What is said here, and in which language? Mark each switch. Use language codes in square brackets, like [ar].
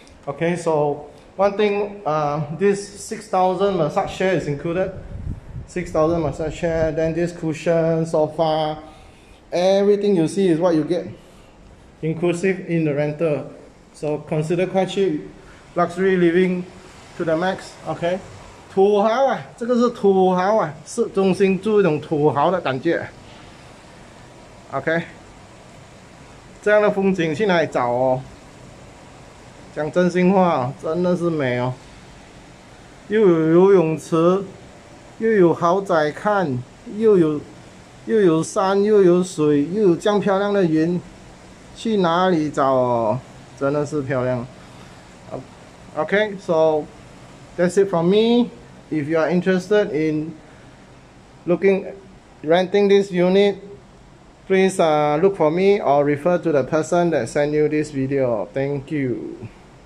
[en] Okay, so one thing, this 6,000 massage chair is included. 6,000 massage chair, then this cushion, sofa, everything you see is what you get, inclusive in the rental. So consider quite cheap, luxury living to the max, okay? [zh] 土豪啊,这个是土豪啊, 市中心住一种土豪的感觉。 OK, 这样的风景去哪里找哦，讲真心话，真的是美哦，又有游泳池，又有豪宅看，又有山又有水，又有这样漂亮的云，去哪里找哦，真的是漂亮。 [en] OK, so that's it from me. If you are interested in looking, renting this unit, please look for me or refer to the person that sent you this video. Thank you.